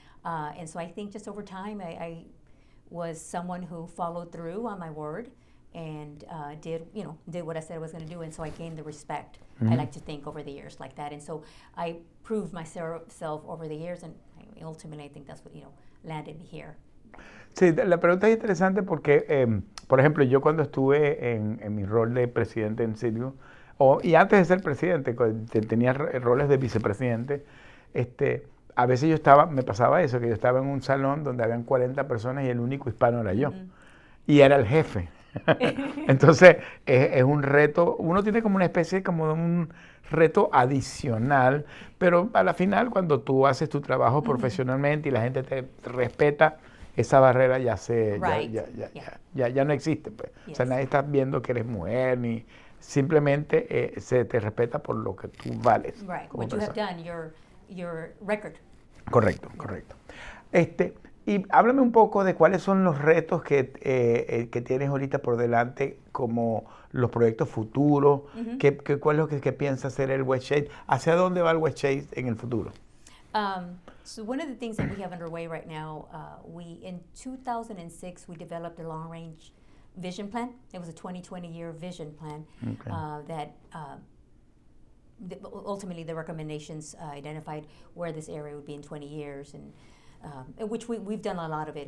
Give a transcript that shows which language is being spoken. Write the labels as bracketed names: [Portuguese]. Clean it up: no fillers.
[English] And so I think just over time, I was someone who followed through on my word and did what I said I was going to do. And so I gained the respect, mm-hmm. I like to think, over the years like that. And so I proved myself over the years, and ultimately I think that's what, you know, landed me here. [Spanish] Sí, la pregunta es interesante porque, por ejemplo, yo cuando estuve en mi rol de presidente en Silvio, y antes de ser presidente, tenía roles de vicepresidente, a veces yo estaba, me pasaba eso, que yo estaba en un salón donde habían 40 personas y el único hispano era yo, mm-hmm. y era el jefe. Entonces, es un reto, uno tiene como una especie como de un reto adicional, pero a la final, cuando tú haces tu trabajo mm-hmm. profesionalmente y la gente te respeta, esa barrera ya se ya no existe, pues. [English] Yes. [Spanish] O sea, nadie está viendo que eres mujer ni simplemente se te respeta por lo que tú vales. [English] Right. What persona. You have done your record. [Spanish] Correcto, yeah. Correcto. Y háblame un poco de cuáles son los retos que tienes ahorita por delante, como los proyectos futuros, mm-hmm. ¿Cuál es lo que piensa hacer el Westshade? ¿Hacia dónde va el Westshade en el futuro? [English] So one of the things that we have underway right now, in 2006, we developed a long-range vision plan. It was a 2020-year vision plan. Okay. Ultimately, the recommendations identified where this area would be in 20 years, and which we've done a lot of it.